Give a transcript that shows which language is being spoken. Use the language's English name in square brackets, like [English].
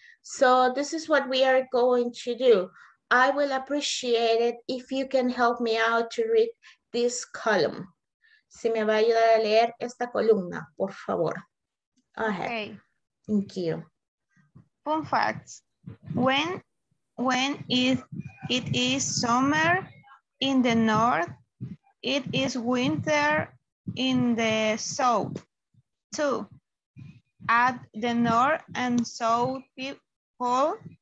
[English] So this is what we are going to do. I will appreciate it if you can help me out to read this column. [Spanish] Si me va a ayudar a leer esta columna, por favor. [English] Go ahead. Okay. Thank you. Fun facts. When it is summer in the north, it is winter in the south. Two, at the north and south, people